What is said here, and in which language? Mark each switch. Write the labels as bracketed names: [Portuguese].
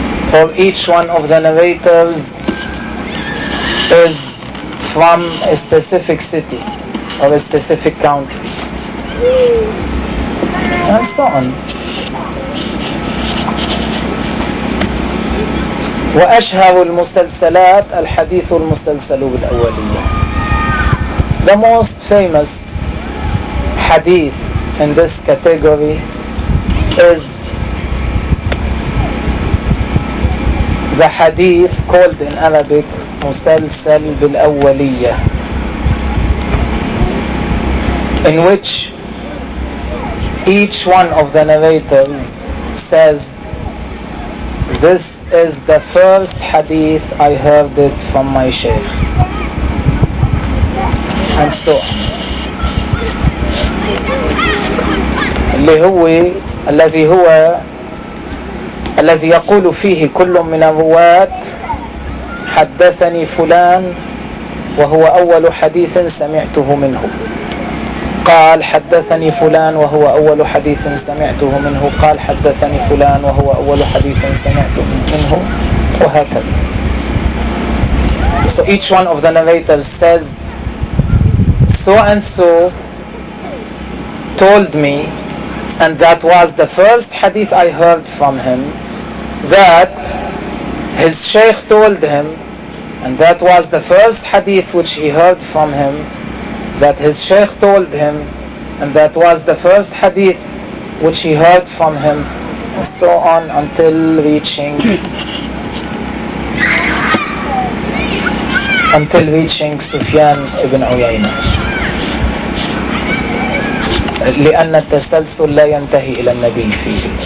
[English] For each one of the narrators is from a specific city or a specific country, and so on. [Arabic] وأشهر المسلسلات الحديث المسلسل بالأولية. [English] The most famous hadith in this category is the hadith called in Arabic مسلسل بالأولية, in which each one of the narrators says this is the first hadith I heard it from my sheikh, and so [Arabic] اللي هو الذي هو الذي يقول فيه كل من الرواة حدثني فلان وهو أول حديث سمعته منه. قال حدثني فلان وهو أول حديث سمعته منه. قال حدثني فلان وهو أول حديث سمعته منه. وهكذا. [English] So each one of the narrators says so and so told me and that was the first hadith I heard from him, that his sheikh told him And that was the first hadith which he heard from him, that his sheikh told him, and that was the first hadith which he heard from him, and so on until reaching until reaching Sufyan ibn Uyayna. [Arabic] لأن التسلسل لا ينتهي إلى النبي فيه.